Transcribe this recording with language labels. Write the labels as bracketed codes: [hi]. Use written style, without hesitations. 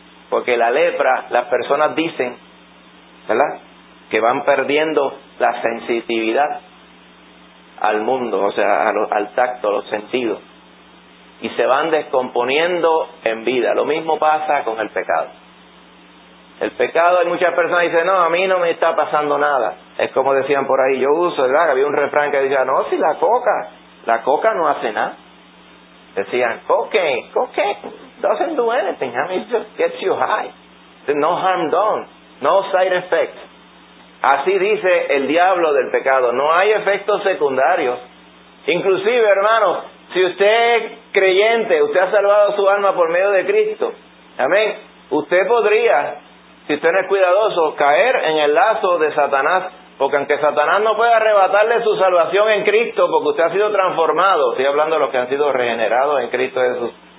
[es] Porque la lepra, las personas dicen, ¿verdad?, que van perdiendo la sensibilidad al mundo, o sea, al tacto, los sentidos, y se van descomponiendo en vida. Lo mismo pasa con el pecado. El pecado, hay muchas personas que dicen, no, a mí no me está pasando nada. Es como decían por ahí, yo uso, ¿verdad?, había un refrán que decía, no, si la coca no hace nada. Decían, [en] cocaine, doesn't do anything, I mean, it just gets you high. No harm done, no side effect. [es] Así dice el diablo del pecado, no hay efectos secundarios. Inclusive, hermano, si usted es creyente, usted ha salvado su alma por medio de Cristo, amén, usted podría, si usted no es cuidadoso, caer en el lazo de Satanás, porque aunque Satanás no pueda arrebatarle su salvación en Cristo, porque usted ha sido transformado, estoy hablando de los que han sido regenerados en Cristo Jesús,